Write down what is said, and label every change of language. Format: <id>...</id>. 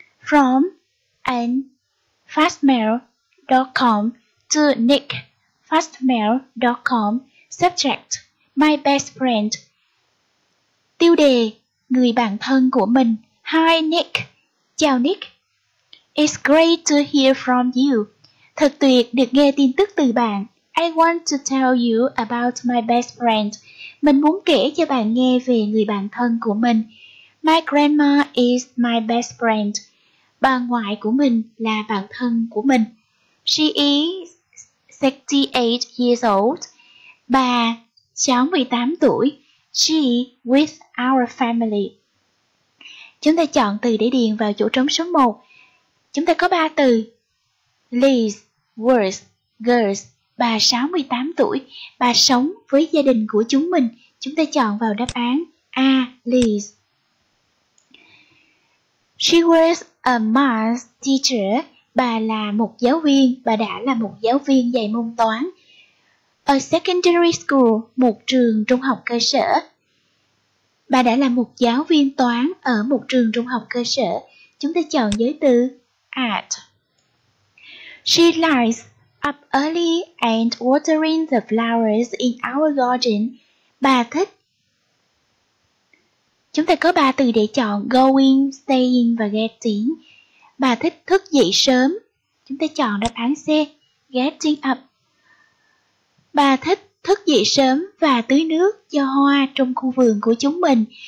<en>From an fastmail.com to nick.fastmail.com. Subject: my best friend.</en> <vi>Tiêu đề: người bạn thân của mình.</vi> <en>Hi Nick.</en> <vi>Chào Nick.</vi> <en>It's great to hear from you.</en> <vi>Thật tuyệt được nghe tin tức từ bạn. I want to tell you about my best friend. Mình muốn kể cho bạn nghe về người bạn thân của mình.</vi> <en>My grandma is my best friend.</en> <vi>Bà ngoại của mình là bạn thân của mình.</vi> <en>She is 68 years old.</en> <vi>Bà cháu 18 tuổi.</vi> <en>She with our family.</en> <vi>Chúng ta chọn từ để điền vào chỗ trống số 1. Chúng ta có 3 từ: Liz, Worth, Girls. Bà 68 tuổi. Bà sống với gia đình của chúng mình. Chúng ta chọn vào đáp án A, Liz.</vi> <en>She was a math teacher.</en> <vi>Bà là một giáo viên. Bà đã là một giáo viên dạy môn toán.</vi> <en>A secondary school,</en> <vi>một trường trung học cơ sở. Bà đã là một giáo viên toán ở một trường trung học cơ sở. Chúng ta chọn giới từ at.</vi> <en>She likes up early and watering the flowers in our garden.</en> <vi>Bà thích. Chúng ta có 3 từ để chọn: going, staying và getting. Bà thích thức dậy sớm. Chúng ta chọn đáp án C, getting up. Bà thích thức dậy sớm và tưới nước cho hoa trong khu vườn của chúng mình.</vi>